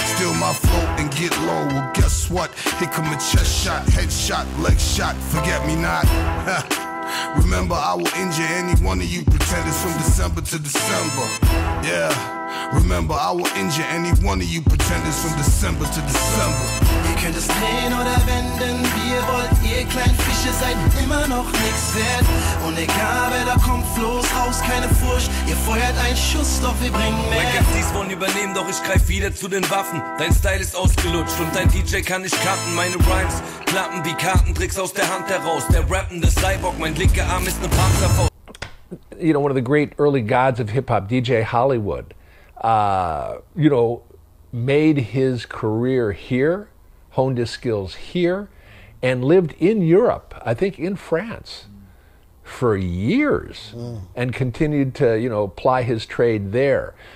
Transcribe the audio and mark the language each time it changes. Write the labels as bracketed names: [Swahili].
[English] Steal my float and get low, well guess what? Here come a chest shot, head shot, leg shot, forget me not. Remember, I will injure any one of you pretenders from December to December. Yeah, remember, I will injure any one of you pretenders from December to December. [German] Ihr könnt es drehen oder wenden, wie ihr wollt, ihr kleinen Fische seid immer noch nix wert. Und egal wer da kommt, los raus, keine Furcht, ihr feuert einen Schuss, doch wir bringen mehr. Mein Gefühl, wollen übernehmen, doch ich greif wieder zu den Waffen. Dein Style ist ausgelutscht und dein DJ kann nicht cutten. Meine Rhymes klappen wie Kartentricks aus der Hand heraus. Der rappende Cyborg, mein linker Arm ist ne Panzerfaust. [English] You know, one of the great early gods of hip-hop, DJ Hollywood, you know, made his career here. Honed his skills here, and lived in Europe, I think in France, for years, and continued to, you know, ply his trade there.